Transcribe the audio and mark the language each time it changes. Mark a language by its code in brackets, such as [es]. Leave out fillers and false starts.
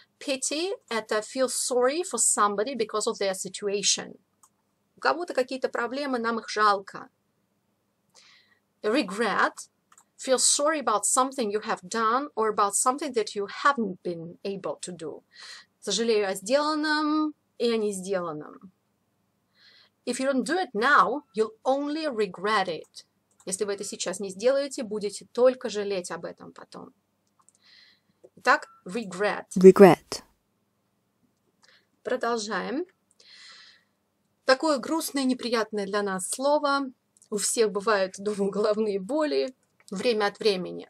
[en] Pity – [ru] это [en] feel sorry for somebody because of their situation. [ru] У кого-то какие-то проблемы, нам их жалко. [en] Regret – feel sorry about something you have done or about something that you haven't been able to do. [ru] Сожалею о сделанном и о несделанном. [en] If you don't do it now, you'll only regret it. [ru] Если вы это сейчас не сделаете, будете только жалеть об этом потом. Итак, regret. [en] Regret. [ru] Продолжаем. Такое грустное, неприятное для нас слово. У всех бывают, думаю, головные боли время от времени.